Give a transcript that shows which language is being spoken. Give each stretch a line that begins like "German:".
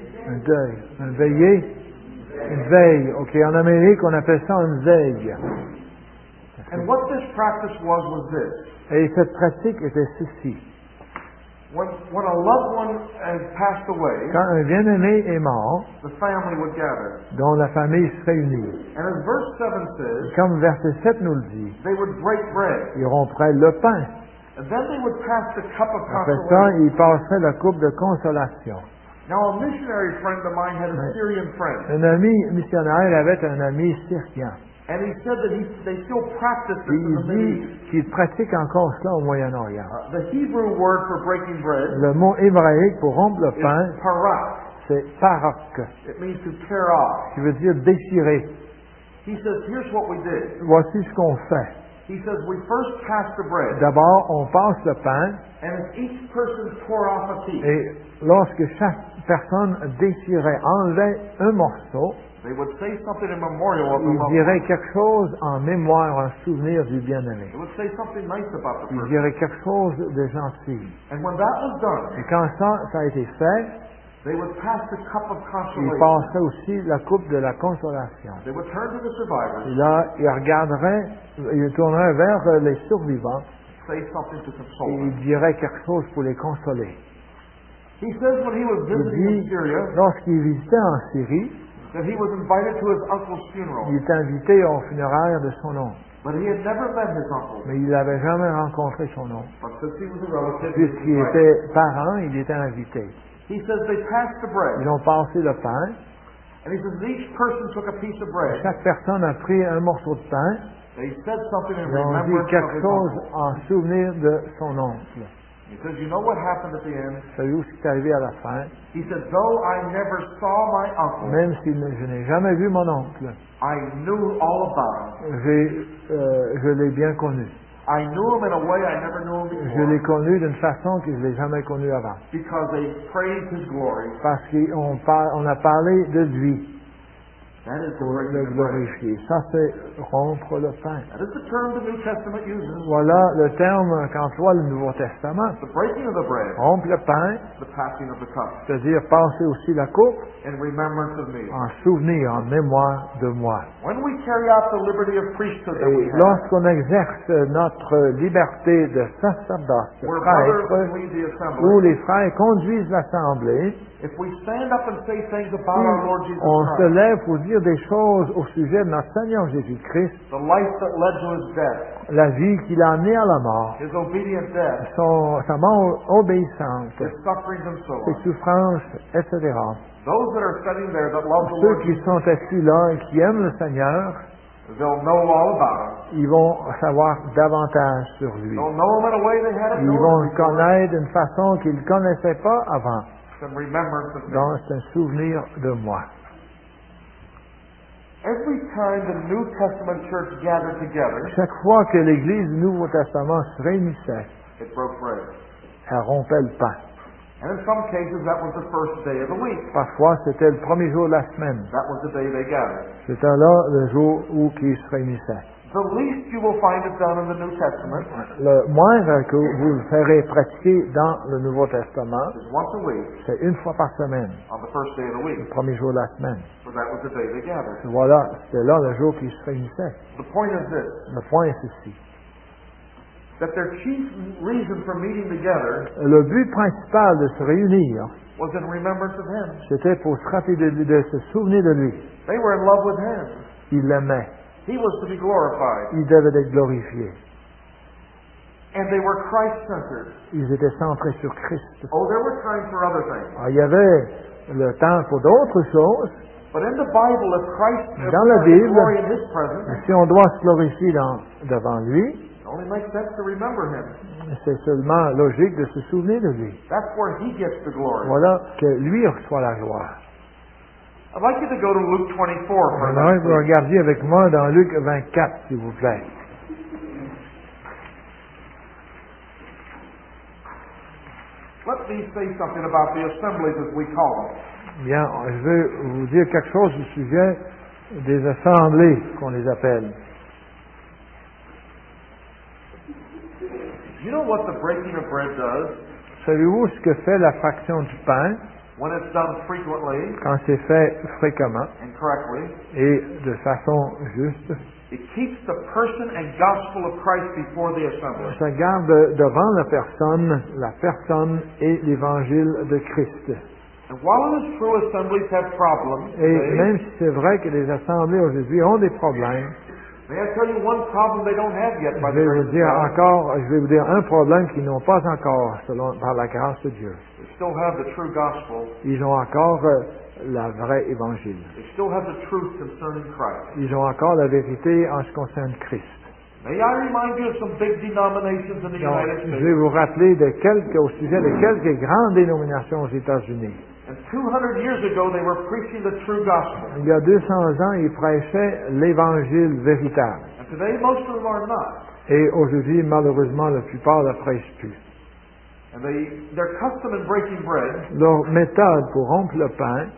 French: Un deuil. Un veillé. Une veille. OK, en Amérique, on appelle ça une veille.
English: And what this practice was this.
French: Et cette pratique était ceci.
English: When a loved one had passed away,
French: quand un bien-aimé est mort,
English: the family would gather.
French: Dont la famille se réunit.
English: And as verse 7 says,
French: comme verset 7 nous le dit,
English: they would break bread.
French: Ils romperaient le pain.
English: And then they would pass the cup of consolation.
French: Après ça, ils passeraient la coupe de consolation.
English: Now a missionary friend of mine had a Syrian friend.
French: Un ami missionnaire avait un ami syrien.
English: And he said that they still practice this.
French: Et il dit qu'ils pratiquent encore cela au Moyen-Orient.
English: The Hebrew word for breaking bread.
French: Le mot hébraïque pour rompre le pain.
English: Parak.
French: C'est parak.
English: It means to tear off.
French: Qui veut dire déchirer.
English: He says, here's what we did.
French: Voici ce qu'on fait.
English: He says, we first pass the bread.
French: D'abord, on passe le pain.
English: And each person tore off a piece.
French: Et lorsque chaque personne déchirait, enlevait un morceau.
English: They would say something in memorial of the loved one.
French: Ils diraient quelque chose en mémoire, en souvenir du bien-aimé.
English: They would say something nice about the person.
French: Ils diraient quelque chose de gentil.
English: And when that was done,
French: et quand ça, ça a été fait,
English: they would pass the cup of consolation.
French: Ils passaient aussi la coupe de la consolation.
English: They would turn to the survivors.
French: Et là, ils tourneraient vers les survivants.
English: Say something to console them.
French: Et ils diraient quelque chose pour les consoler.
English: He says when he was visiting
French: dit,
English: in Syria,
French: lorsqu'il visitait en Syrie,
English: that he was invited to his uncle's funeral.
French: Il était invité au funérailles de son oncle.
English: But he had never met his uncle.
French: Mais il n'avait jamais rencontré son oncle.
English: But since he was a relative,
French: puisqu'il était parent, il était invité.
English: He says they passed the bread.
French: Ils ont passé le pain.
English: And he says each person took a piece of bread.
French: Chaque personne a pris un morceau de pain.
English: They said something in remembrance of his uncle.
French: Quelque chose en souvenir de son oncle.
English: He says, "You know what happened at the end."
French: Savez-vous ce qui est arrivé à la fin?
English: He said, "Though I never saw my uncle."
French: Même si je n'ai jamais vu mon oncle.
English: I knew all about him.
French: Je l'ai bien connu.
English: I knew him in a way I never knew him before.
French: Je l'ai connu d'une façon que je l'ai jamais connu avant.
English: Because they praised his glory.
French: Parce qu'on a parlé de lui.
English: That is
French: pour le glorifier. Ça, c'est rompre le pain.
English: That is the term the New Testament uses.
French: Voilà le terme qu'emploie le Nouveau Testament.
English: The breaking of the bread.
French: Rompre le pain.
English: The passing of the cup.
French: C'est-à-dire passer aussi la coupe.
English: In remembrance of me.
French: En souvenir, en mémoire de moi.
English: When we carry out the liberty of priesthood that
French: et
English: we have.
French: Lorsqu'on exerce notre liberté de sacerdoce, de prêtre, où les frères conduisent l'assemblée,
English: if we stand up and say things about our Lord Jesus Christ,
French: on se lève pour dire des choses au sujet de notre Seigneur Jésus Christ,
English: the life that led to his death,
French: la vie qui l'a amené à la mort,
English: his obedient death,
French: sa mort obéissante,
English: his sufferings and so on,
French: ses souffrances, etc.
English: Those that are sitting there that love
French: ceux
English: the Lord
French: qui
English: Jesus,
French: sont assis là et qui aiment le Seigneur,
English: they'll know all about him.
French: Ils vont savoir davantage sur lui.
English: They'll know him in a way they hadn't known
French: ils vont le connaître d'une façon qu'ils ne connaissaient pas avant. Donc, c'est un souvenir de moi.
English: Every time the New Testament church gathered together,
French: chaque fois que l'Église du Nouveau Testament se réunissait,
English: it broke bread.
French: Elle rompait le pain.
English: And in some cases, that was the first day of the week.
French: Parfois, c'était le premier jour de la semaine.
English: That was the day they gathered.
French: C'était là le jour où ils se réunissaient.
English: The least you will find it done in the New Testament.
French: Le moindre que vous le ferez pratiquer dans le Nouveau Testament,
English: once a week,
French: c'est une fois par semaine,
English: on the first day of the week,
French: le premier jour de la semaine.
English: So that was the day they gathered.
French: Voilà, c'est là le jour qu'ils se réunissaient.
English: The point is this.
French: Le point est ceci.
English: That their chief reason for meeting together,
French: le but principal de se réunir,
English: was in remembrance of him.
French: C'était pour se rappeler de se souvenir de lui.
English: They were in love with him.
French: Ils l'aimaient.
English: He was to be glorified.
French: Il devait être glorifié.
English: And they were Christ-centered.
French: Ils étaient centrés sur Christ.
English: Oh, there were times for other things.
French: Il y avait le temps pour d'autres choses.
English: But in the Bible, if Christ
French: dans la Bible,
English: glory in his presence,
French: si on doit se glorifier devant lui,
English: it only makes sense to remember him.
French: C'est seulement logique de se souvenir de lui.
English: That's where he gets the glory.
French: Voilà que lui reçoit la gloire.
English: I'd like you to go to Luke 24 for a minute.
French: Vous regardiez avec moi dans Luc 24, s'il vous plaît.
English: Let me say something about the assemblies as we call them.
French: Bien, je veux vous dire quelque chose au sujet des assemblées qu'on les appelle.
English: You know what the breaking of bread does?
French: Savez-vous ce que fait la fraction du pain?
English: When it's done frequently,
French: quand c'est fait fréquemment
English: and correctly,
French: et de façon juste,
English: it keeps the person and gospel of Christ before the assembly.
French: Ça garde devant la personne et l'évangile de Christ.
English: And while it is true assemblies have problems,
French: et même si c'est vrai que les assemblées aujourd'hui ont des problèmes,
English: may I tell you one problem they don't have yet,
French: je vais vous dire encore, je vais vous dire un problème qu'ils n'ont pas encore selon, par la grâce de Dieu.
English: They still have the true gospel.
French: Ils ont encore la vraie évangile.
English: They still have the truth concerning Christ.
French: Ils ont encore la vérité en ce qui concerne Christ.
English: May I remind you of some big denominations in the
French: donc,
English: United States?
French: Je vais vous rappeler de quelques, au sujet de quelques grandes dénominations aux États-Unis.
English: And 200 years ago, they were preaching the true gospel.
French: Il y a 200 ans, ils prêchaient l'évangile véritable.
English: And today, most of them are not.
French: Et aujourd'hui, malheureusement, la plupart ne prêchent plus.
English: And their custom in breaking bread,
French: leur méthode pour rompre le pain,